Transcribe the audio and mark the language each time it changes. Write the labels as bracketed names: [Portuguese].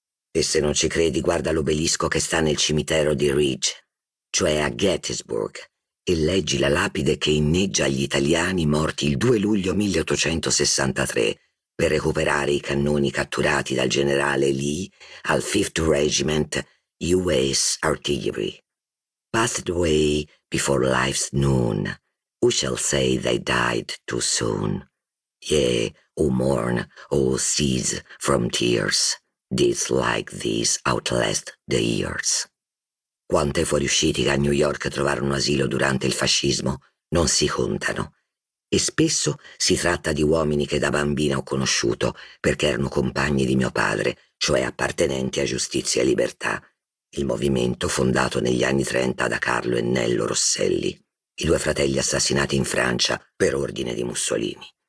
[Italian] E se non ci credi, guarda l'obelisco che sta nel cimitero di Ridge, cioè a Gettysburg, e leggi la lapide che inneggia agli italiani morti il 2 luglio 1863 per recuperare i cannoni catturati dal generale Lee al 5th Regiment U.S. [English] Artillery. Passed away before life's noon, who shall say they died too soon? Yea, who mourn, who cease from tears, deeds like these outlast the years. [Italian] Quante fuoriusciti che a New York trovarono asilo durante il fascismo non si contano. E spesso si tratta di uomini che da bambina ho conosciuto perché erano compagni di mio padre, cioè appartenenti a Giustizia e Libertà, il movimento fondato negli anni 30 da Carlo e Nello Rosselli, i due fratelli assassinati in Francia per ordine di Mussolini.